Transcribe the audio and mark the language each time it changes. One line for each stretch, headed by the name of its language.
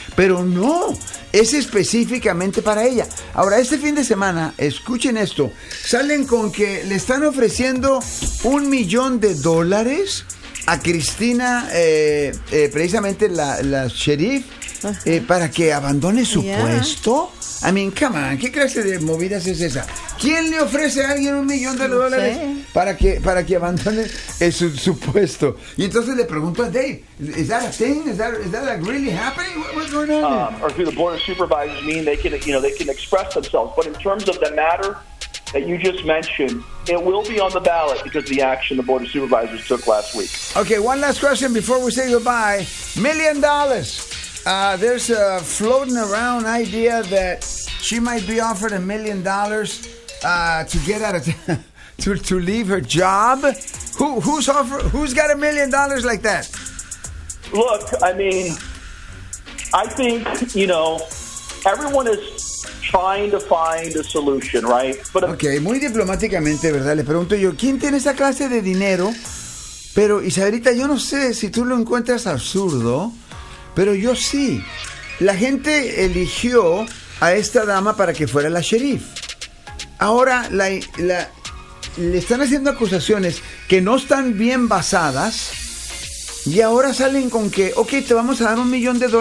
Spanish: Pero no, es específicamente para ella. Ahora, este fin de semana, escuchen esto, salen con que le están ofreciendo $1 millón a Cristina, precisamente la sheriff, para que abandone su puesto.
English: I mean, come on,
Spanish: ¿qué clase de movidas es esa? ¿Quién le ofrece a alguien $1 millón para que abandone su puesto? Y entonces le pregunto a Dave, ¿es
English: that a thing?
Spanish: ¿Es
English: that really happening? What's going on? Or do the board of supervisors mean they can, you know, they can express themselves? But in terms of the matter that you just mentioned, it will be on the ballot because of the action the board of supervisors took last week. Okay, one last question before we say goodbye. $1 million. There's a floating around idea that she might be offered $1 million to get out of to leave her job. Who's got $1 million like that? Look, I mean, I think, you know, everyone is trying to find a solution, right? But okay,
Spanish: muy diplomáticamente, ¿verdad? Le pregunto yo, ¿quién tiene esa clase de dinero? Pero, Isabelita, yo no sé si tú lo encuentras absurdo, pero yo sí. La gente eligió a esta dama para que fuera la sheriff. Ahora le están haciendo acusaciones que no están bien basadas, y ahora salen con que, ok, te vamos a dar $1 million